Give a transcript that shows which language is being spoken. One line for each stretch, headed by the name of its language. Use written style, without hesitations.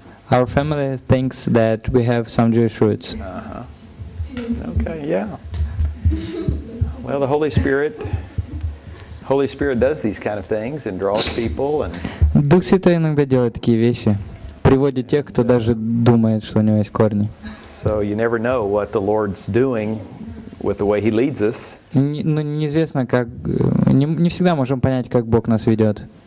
English: Our family thinks that we have some Jewish roots. Uh-huh. Okay, yeah. Well, the Holy Spirit does these kind of things and draws people and.
Russian: Дух Святой иногда делает такие вещи, приводит тех, кто даже думает, что у него есть корни.
English: So you never know what the Lord's doing with the way He leads us.
Russian: Ну неизвестно, как не всегда можем понять, как Бог нас ведет.